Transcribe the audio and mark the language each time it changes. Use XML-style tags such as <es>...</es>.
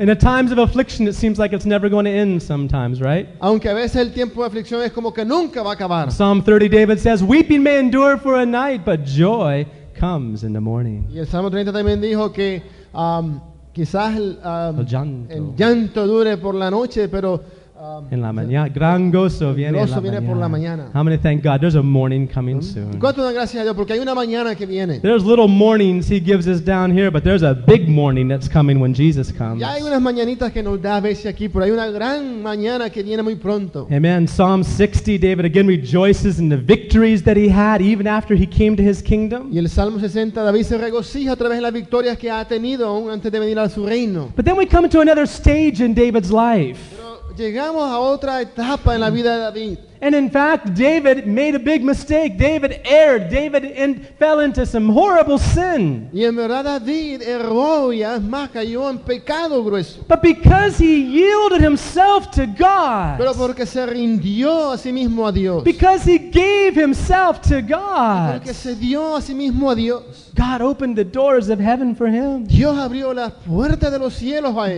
<en>In the times of affliction, it seems like it's never going to end sometimes, right?</en> <es>Aunque a veces el tiempo de aflicción es como que nunca va a acabar.</es> <en>Psalm 30, David says, weeping may endure for a night, but joy comes in the morning.</en> <es>Y el Salmo 30 también dijo que quizás el llanto dure por la noche, pero en la mañana, gran gozo viene, gozo viene mañana. Por la mañana.</es> <en>How many thank God? There's a morning coming soon.</en> <es>¿Cuánto dan gracias a Dios porque hay una mañana que viene?</es> <en>There's little mornings He gives us down here, but there's a big morning that's coming when Jesus comes.</en> <es>Ya hay unas mañanitas que nos da a veces aquí, pero hay una gran mañana que viene muy pronto.</es> <en>Amen. Psalm 60, David again rejoices in the victories that he had even after he came to his kingdom.</en> <es>Y el Salmo 60, David se regocija a través de las victorias que ha tenido aún antes de venir a su reino.</es> <en>But then we come to another stage in David's life.</en> <es>Llegamos a otra etapa en la vida de David.</es> <en>And in fact, David made a big mistake. David erred. David fell into some horrible sin.</en> <es>Y en verdad David erró y además cayó en pecado grueso.</es> <en>But because he yielded himself to God.</en> <es>Pero porque se rindió a sí mismo a Dios.</es> <en>Because he gave himself to God.</en> <es>Porque se dio a sí mismo a Dios.</es> <en>God opened the doors of heaven for him.</en> <es>Dios abrió las puertas de los cielos a él.</es>